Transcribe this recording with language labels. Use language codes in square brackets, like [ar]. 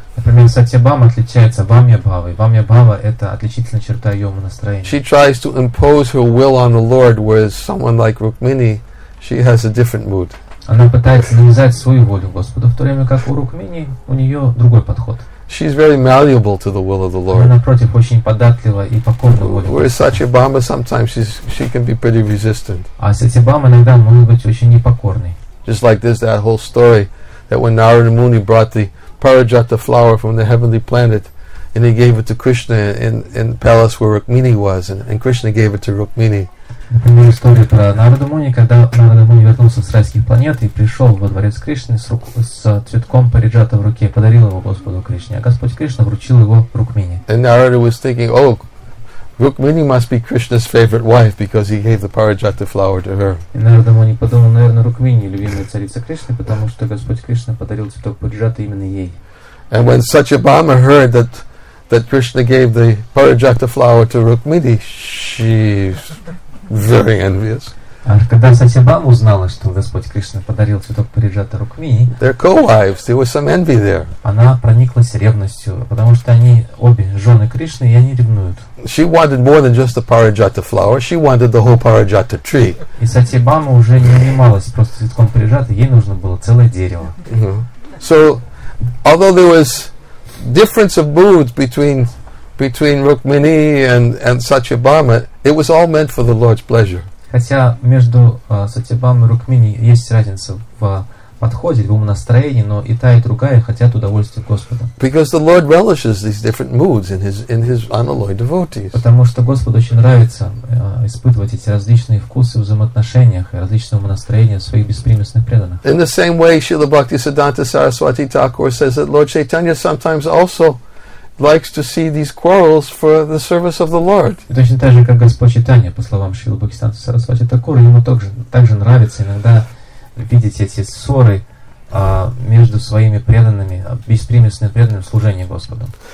[ru] Например, Сатьябхама отличается Вамья-бхавой. Вамья-бхава – это отличительная черта ее умонастроения. [en] She tries to impose her will on the Lord, whereas someone like Rukmini, she has a different mood. [ru] Она пытается навязать свою волю Господу, в то время как у Рукмини у нее другой подход. [en] She is very malleable to the will of the Lord. [ru] Она, напротив, очень податлива и покорна воле Господа. [en] Whereas Сатьябхама, sometimes she can be pretty resistant. [ru] А Сатьябхама иногда может быть очень непокорной. [en] Just like this, that whole story, that when Narada Muni brought the Parijata flower from the heavenly planet, and he gave it to Krishna in the palace where Rukmini was, and Krishna gave it to Rukmini. [ru] Например, история про Нарада Муни, когда Нарада Муни вернулся с райских планет и пришел во дворец Кришны с цветком Парижата в руке, подарил его Господу Кришне, а Господь Кришна вручил его Рукмини. [en] And Narada was thinking, oh, Rukmini must be Krishna's favorite wife because he gave the Parijata flower to her. [ru] И Нарада Муни подумал, наверное, Рукмини любимая царица Кришны, потому что Господь Кришна подарил цветок Парижата именно ей. [en] And when Satyabhama heard that Krishna gave the Parijata flower to Rukmini, she's very envious. [ru] А когда Сатьябхама узнала, что Господь Кришна подарил цветок Парижата Рукмини, [en] they're co-wives. There was some envy there. [ru] Она прониклась ревностью, потому что они обе жены Кришны, и они ревнуют. [en] She wanted more than just the Parijata flower. She wanted the whole Parijata tree. [ru] И Сатьябхама уже не занималась просто цветком Парижата, ей нужно было целое дерево. [en] So, although there was difference of moods between Rukmini and Satyabhama, it was all meant for the Lord's pleasure. [ru] Хотя между Сатьябхамой и Рукмини есть разница в подходе, в умонастроении, но и та, и другая хотят удовольствия Господа. [en] Because the Lord relishes these different moods in his unalloyed devotees. [ru] Потому что Господу очень нравится испытывать эти различные вкусы в взаимоотношениях и различные умонастроения своих беспримесных преданных. [en] In the same way, Śrīla Bhaktisiddhānta Saraswati Thakura says that Lord Chaitanya sometimes also likes to see these quarrels for the service of the Lord. [ru] Точно так же, как Господь Чайтанья, по словам Шрилы Бхактисиддханты Сарасвати Такура, ему также нравится иногда видеть эти ссоры между своими преданными, беспримесными преданными в служении Господу.